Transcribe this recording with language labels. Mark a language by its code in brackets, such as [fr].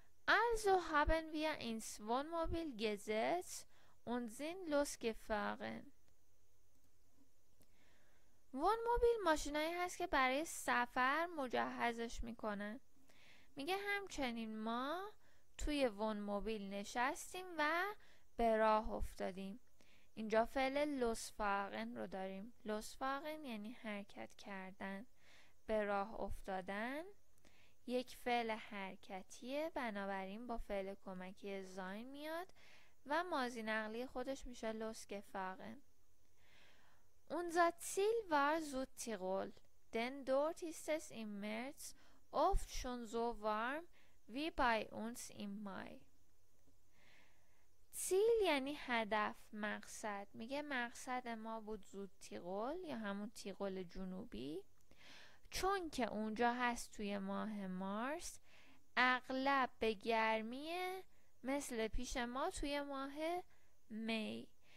[de] Also haben wir ins Wohnmobil gesetzt und sind losgefahren. [fa] Wohnmobil ماشینایی هست که برای سفر مجهزش میکنن. میگه همچنین ما توی Wohnmobil نشستیم و به راه افتادیم. اینجا فعل losfahren رو داریم. losfahren یعنی حرکت کردن، به راه افتادن. یک فعل حرکتیه، بنابراین با فعل کمکی زاین میاد و ماضی نقلی خودش میشه لوس گفاغن. [de] Unser Ziel war Südtirol, denn dort ist es im März oft schon so warm wie bei uns im Mai. [fa] Ziel یعنی هدف، مقصد. میگه مقصد ما بود زودتیرول یا همون تیرول جنوبی، چون که اونجا هست توی ماه مارس اغلب به گرمیه مثل پیش ما توی ماه می.